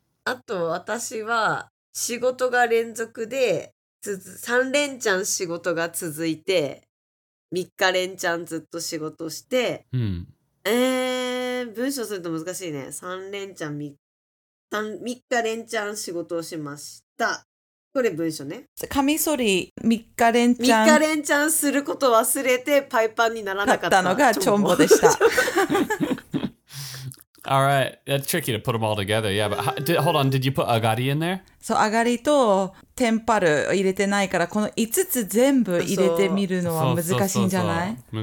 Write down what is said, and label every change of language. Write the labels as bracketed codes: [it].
[ja] あと私は仕事が連続で3連ちゃん仕事が続いて3日連ちゃんずっと仕事して、文章すると難しいね。 3連ちゃん 3日連ちゃん仕事をしました。これ文章ね。カミソリ3日連チャン。 3日連チャンすること忘れてパイパンにならなかったのがチョンボでした。 [en] All right, that's tricky to put them all together. Yeah, but hold on, did you put アガリ in there? [ja] そう、アガリとテンパル入れてないから、この5つ全部入れてみるのは難しいんじゃない？